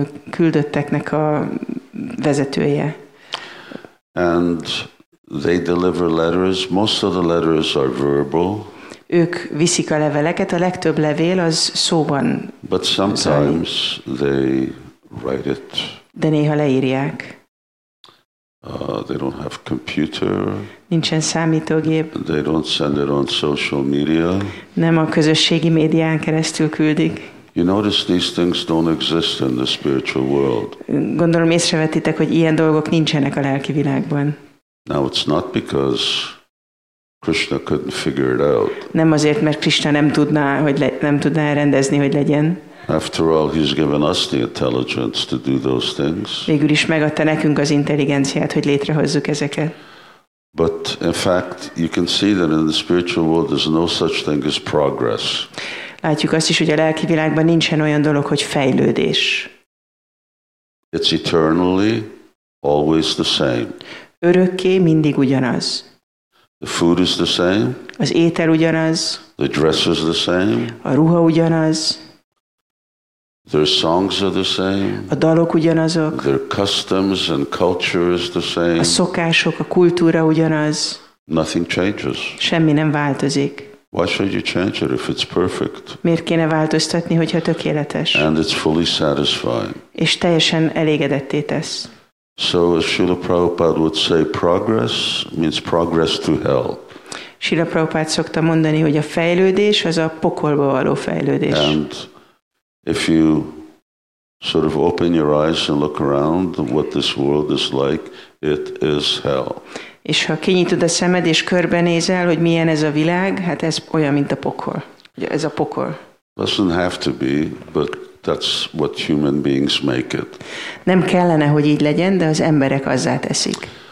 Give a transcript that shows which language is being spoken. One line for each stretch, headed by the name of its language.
Hungarian: Küldötteknek a vezetője.
English: And they deliver letters. Most of the letters are verbal.
Hungarian: Ők viszik a leveleket, a legtöbb levél az szóban.
English: But sometimes they write it.
Hungarian: De néha leírják.
English: They don't have computer.
Hungarian: Nincsen számítógép.
English: They don't send it on social media.
Hungarian: Nem a közösségi médián keresztül küldik.
English: You notice these things don't exist in the spiritual world.
Hungarian: Gondolom észrevettitek, hogy ilyen dolgok nincsenek a lelki világban.
English: Now it's not because Krishna couldn't figure it out.
Hungarian: Nem azért, mert Krishna nem tudná rendezni, hogy legyen.
English: After all, he's given us the intelligence to do those things.
Hungarian: Végül is megadta nekünk az intelligenciát, hogy létrehozzuk ezeket.
English: But in fact, you can see that in the spiritual world there's no such thing as progress.
Hungarian: Látjuk azt is, hogy a lelki világban nincsen olyan dolog, hogy fejlődés.
English: It's eternally always the same.
Hungarian: Örökké mindig ugyanaz.
English: The food is the same.
Hungarian: Az étel ugyanaz.
English: The dress is the same.
Hungarian: A ruha ugyanaz.
English: Their songs are the same.
Hungarian: A dalok ugyanazok.
English: Their customs and culture is the same.
Hungarian: A szokások, a kultúra ugyanaz.
English: Nothing changes.
Hungarian: Semmi nem változik.
English: Why should you change it if it's perfect?
Hungarian: Miért kéne változtatni, hogyha tökéletes?
English: And it's fully satisfying.
Hungarian: És teljesen elégedetté tesz.
English: So as Srila Prabhupada would say, progress means progress to hell.
Hungarian: Srila Prabhupada szokta mondani, hogy a fejlődés az a pokolba való fejlődés.
English: And if you sort of open your eyes and look around what this world is like, it is hell.
Hungarian: És ha kinyitod a szemed és körbenézel, hogy milyen ez a világ, hát ez olyan, mint a pokol. Ugye ez a pokol.
English: Doesn't have to be, but that's what human beings make it.
Hungarian: Nem kellene, hogy így legyen, de az emberek azzá teszik.